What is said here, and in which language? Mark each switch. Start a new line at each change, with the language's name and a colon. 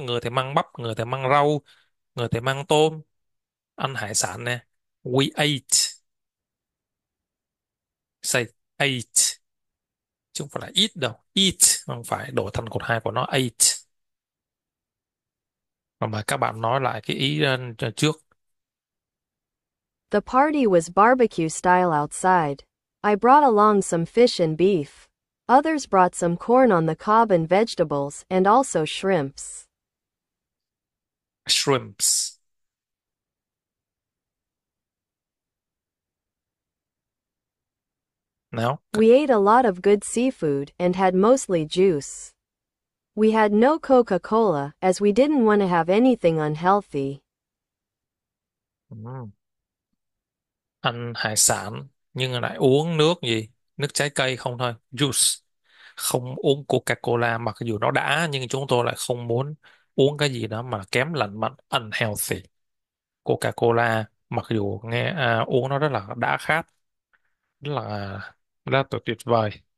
Vietnamese: Người thì mang bắp, người thì mang rau, người thì mang tôm. Ăn hải sản nè.
English: We ate. Say ate.
Vietnamese: Chứ không phải là eat đâu. Eat. Không phải đổi thành cột 2 của nó. Ate. Mà các bạn nói lại cái ý trước.
English: The party was barbecue style outside. I brought along some fish and beef. Others brought some corn on the cob and vegetables, and also shrimps. Shrimps.
Vietnamese: Nào.
English: We ate a lot of good seafood and had mostly juice. We had no Coca-Cola as we didn't want to have anything unhealthy.
Vietnamese: Ăn hải sản nhưng lại uống nước gì? Nước trái cây không thôi. Juice. Không uống Coca-Cola mặc dù nó đã, nhưng chúng tôi lại không muốn uống cái gì đó mà kém lành mạnh, unhealthy. Coca-Cola mặc dù nghe uống nó rất là đã khát, rất là tuyệt vời.